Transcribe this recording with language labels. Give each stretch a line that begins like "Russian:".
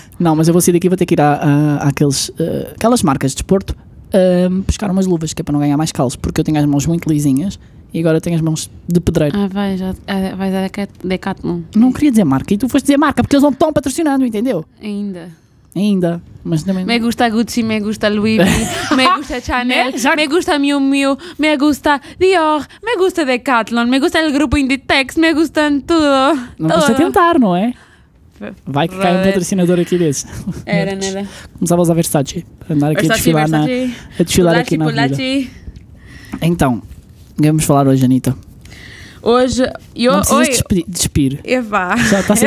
Portuguese: Não, mas eu vou sair daqui e vou ter que ir àquelas marcas de desporto buscar umas luvas, que é para não ganhar mais calos, porque eu tenho as mãos muito lisinhas. E agora tenho as mãos de pedreiro. Ah, vais a Decathlon. Não queria dizer marca. E tu foste dizer marca, porque eles não estão patrocinando, entendeu? Ainda. Mas também...
Spanish: Me gusta Gucci, me gusta Louis V, me gusta Chanel, me gusta Miu Miu, me gusta Dior, me gusta Decathlon, me gusta o grupo Inditex, me gustan tudo.
Portuguese: Não custa tentar, não é? Vai que cai um patrocinador aqui desse. Era, nada. Começavas a Versace. Para andar aqui Versace, a desfilar, a desfilar Pulaci, aqui na Pulaci. Vida. Então... Vamos falar hoje, Anitta. Hoje, eu... Não precisas despir. Eva. Já está a ser